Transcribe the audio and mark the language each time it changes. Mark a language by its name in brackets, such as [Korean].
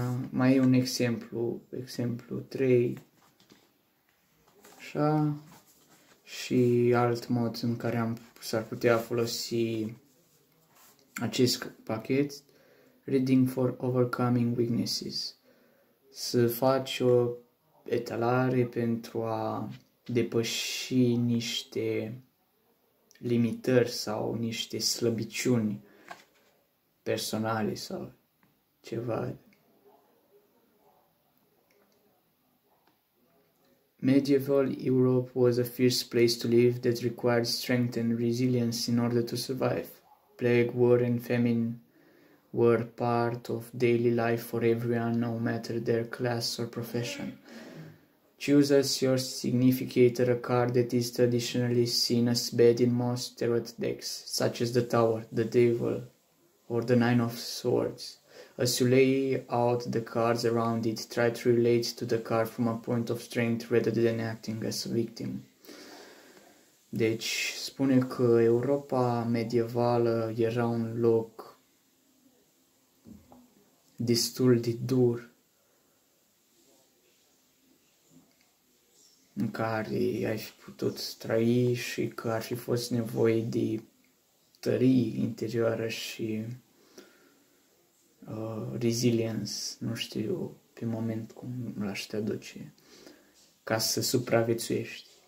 [Romanian] Mai e un exemplu, exemplu 3, așa, și alt mod în care s-ar putea folosi acest pachet, [English] Reading for Overcoming Weaknesses, [Romanian] să faci o etalare pentru a depăși niște limitări sau niște slăbiciuni personale sau ceva. [English] Medieval Europe was a fierce place to live that required strength and resilience in order to survive. Plague, war and famine were part of daily life for everyone, no matter their class or profession. Choose as your significator a card that is traditionally seen as bad in most tarot decks, such as the Tower, the Devil or the Nine of Swords. As you lay out the cards around it, try to relate to the card from a point of strength rather than acting as a victim. [Romanian] Deci, spune că Europa medievală era un loc destul de dur în care ai fi putut trăi și că ar fi fost nevoie de tărie interioară și resilience, nu știu pe moment cum l-aș traduce, ca să supraviețuiești.